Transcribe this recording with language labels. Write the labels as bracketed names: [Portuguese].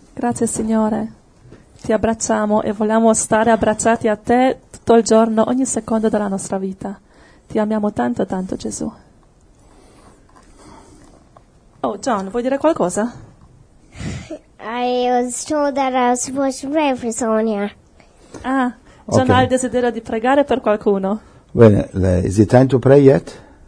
[Italian] Grazie Signore, ti abbracciamo e vogliamo stare abbracciati a te tutto il giorno, ogni secondo della nostra vita. Ti amiamo tanto, tanto Gesù. Oh John, vuoi dire qualcosa? [English] I was told that I was supposed to pray for Sonia. [Italian] Ah, John okay. Ha il desiderio di pregare per qualcuno. [English] Well, is it time to pray yet?